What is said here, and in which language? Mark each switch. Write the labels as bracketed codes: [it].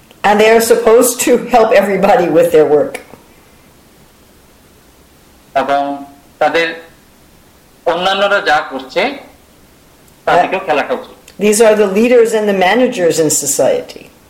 [en] And they are supposed to help everybody with their work. [bn] এবং তাদের অন্যান্যরা যা করছে তাদেরকেও খেয়াল রাখা উচিত। [en] These are the leaders and the managers in society.